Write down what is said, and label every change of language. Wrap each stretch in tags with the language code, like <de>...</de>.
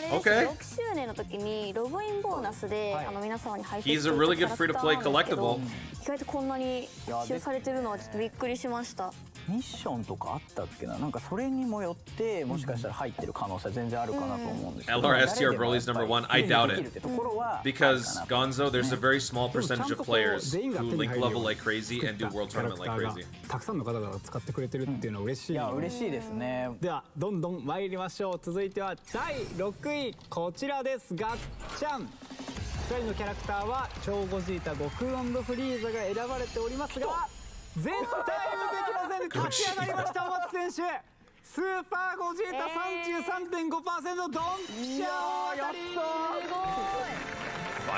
<ja>れですね、6周年の時にログインボーナスで、はい、あの皆様に配信していただくキャラクターなんですけど、意外とこんなに使用されてるのはちょっとびっくりしました。ミッションとかあったっけな、なんかそれにもよってもしかしたら入ってる可能性全然あるかなと思うんですけど、</ja> <en>LRSTR Broly's number one I doubt it because Gonzo there's a very small percentage of players who link level like crazy and do world tournament like crazy。</en> <ja>たくさんの方が使ってくれてるっていうのは嬉しい、いや嬉しいですね。ではどんどん参りましょう。続いては第6位こちらです。ガッチャン、2人のキャラクターは超ゴジータ悟空&フリーザが選ばれておりますが、全体無敵の戦で立ち上がりました。お松選手スーパーゴジータ 33.5% ドンピシャー、やった</ja>